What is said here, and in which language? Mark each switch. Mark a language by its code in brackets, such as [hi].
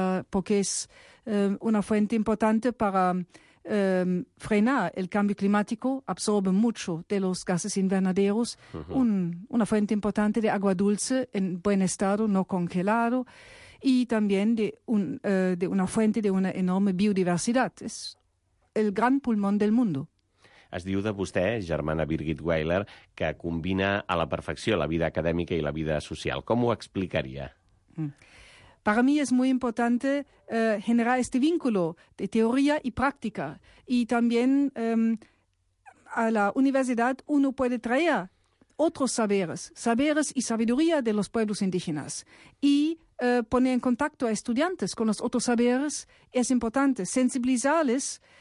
[es] porque es una fuente importante para frenar el cambio climático, absorbe mucho de los gases invernaderos, una fuente importante de agua dulce en buen estado, no congelado, y también de una fuente de una enorme biodiversidad. Es el gran pulmón del mundo. [ca] Es diu de vostè, germana Birgit Weiler, que combina a la perfecció la vida acadèmica i la vida social. Com ho explicaria? [es] Para mí es muy importante generar este vínculo de teoría y práctica. Y también a la universidad uno puede traer otros saberes, saberes y sabiduría de los pueblos indígenas. Y poner en contacto a estudiantes con los otros saberes es importante, sensibilizarles.